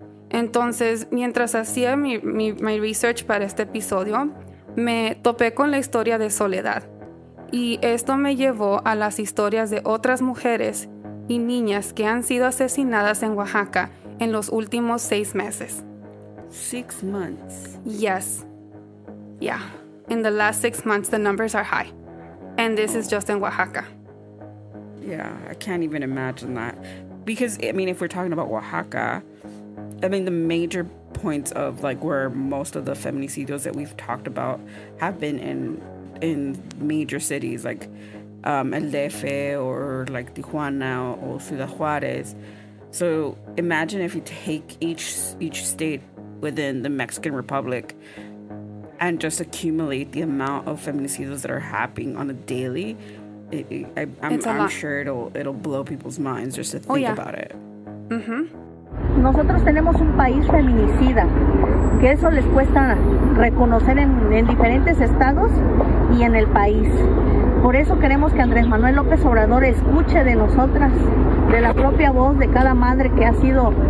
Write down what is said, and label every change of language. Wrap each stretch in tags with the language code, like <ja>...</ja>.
<es>Entonces, mientras hacía mi research para este episodio, me topé con la historia de Soledad. Y esto me llevó a las historias de otras mujeres y niñas que han sido asesinadas en Oaxaca en los últimos 6 meses.</es> <en>6 months. Yes. Yeah. In the last 6 months, the numbers are high. And this is just in Oaxaca. Yeah, I can't even imagine that. Because, I mean, if we're talking about Oaxaca, I mean, the major points of, like, where most of the feminicidios that we've talked about have been in major cities, like El DF or, like, Tijuana or Ciudad Juarez. So imagine if you take each state within the Mexican Republic and just accumulate the amount of feminicidios that are happening on a daily, I'm sure it'll blow people's minds just to think about it. Mm-hmm.</en> <es>Nosotros tenemos un país feminicida, que eso les cuesta reconocer en diferentes estados y en el país. Por eso queremos que Andrés Manuel López Obrador escuche de nosotras, de la propia voz de cada madre que ha sido</es>